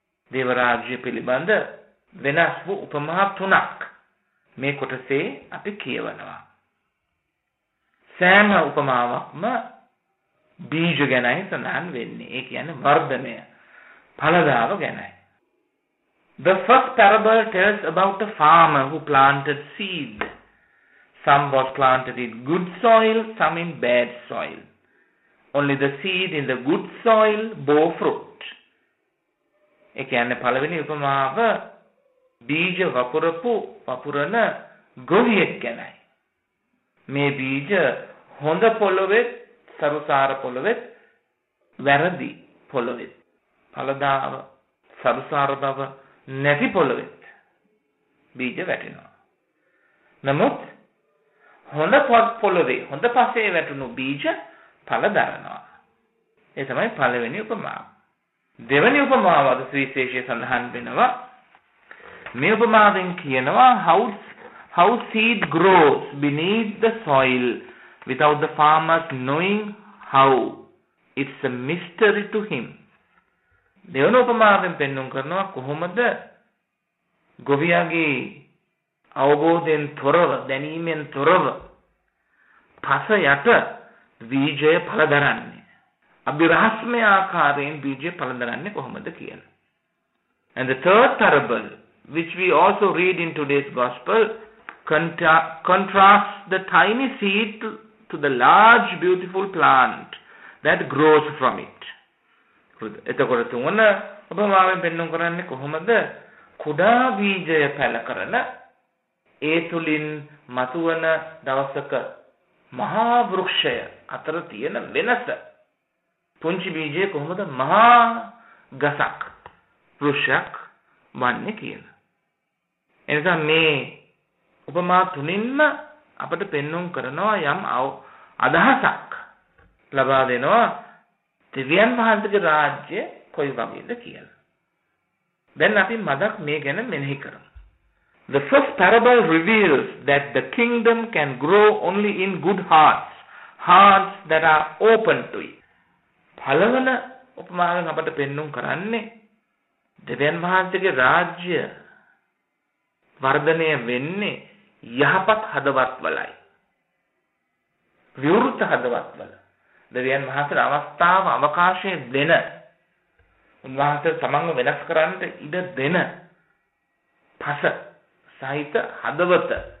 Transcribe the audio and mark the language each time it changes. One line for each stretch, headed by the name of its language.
Sinhala: දේවරාජ්‍ය පිළිබඳ වෙනස් වූ උපමා තුනක් මේ කොටසේ අපි කියවනවා. සෑම උපමාවක්ම බීජ ගැනයි සඳහන් වෙන්නේ. ඒ කියන්නේ වර්ධනය ඵලදාව ගැනයි.
English: The first parable tells about a farmer who planted seed. Some was planted in good soil, some in bad soil. Only the seed in the good soil bore fruit.
Sinhala: ඒ කියන්නේ පළවෙනි උපමාව බීජ වපුරපු වපුරන ගොවියෙක් ගැනයි. මේ බීජ හොඳ පොළොවෙත් සරුසාර පොළොවෙත් වැරදි පොළොවෙත් ඵලදාව සරුසාර බව නැති පොළොවෙත් බීජ වැටෙනවා. නමුත් හොඳ පොළොවේ හොඳ පසේ වැටුණු බීජ ඵල දරනවා. ඒ තමයි පළවෙනි උපමාව. දෙවැනි උපමාව අද සුවිශේෂය සඳහන් වෙනවා. මේ උපමාවෙන් කියනවා
English: how seed grows beneath the soil without the farmer knowing how. It's a mystery to him.
Sinhala: දෙවැනි උපමාවෙන් පෙන්වුම් කරනවා කොහොමද ගොවියාගේ අවබෝධයෙන් තොරව, දැනීමෙන් තොරව පස යට බීජය ඵල දරන්නේ. අභිරහස්මය ආකාරයෙන් බීජය පළඳරන්නේ කොහොමද කියලා.
English: And the third parable, which we also read in today's gospel, contrasts the tiny seed to the large beautiful plant that grows from it.
Sinhala: එතකොට තුන්වන උපමාවෙන් පෙන්වන්න කරන්නේ කොහොමද කුඩා බීජය පැල කරන ඒ තුලින් මතුවන දවසක මහා වෘක්ෂය අතර තියෙන වෙනස. පුංචි බීජය කොහොමද මහා ගසක් වෘක්ෂයක් වන්නේ කියලා. එනිසා මේ උපමා තුනින්ම අපට පෙන්වුම් කරනවා යම් අදහසක් ලබා දෙනවා දෙවියන් වහන්සේගේ රාජ්‍ය කොයි වගේද කියලා. දැන් අපි මදක් මේ ගැන මෙනෙහි කරමු.
English: The first parable reveals that the kingdom can grow only in good hearts, hearts that are open to it.
Sinhala: පළවෙනි උපමාවෙන් අපට පෙන්눔 කරන්නේ දෙවියන් වහන්සේගේ රාජ්‍ය වර්ධනය වෙන්නේ යහපත් හදවත්වලයි. විවෘත හදවත්වල. දෙවියන් වහන්සේ අවස්ථාව අවකාශය දෙන, උන්වහන්සේ තමන්ව වෙනස් කරන්නට ඉඩ දෙන පස සහිත හදවත.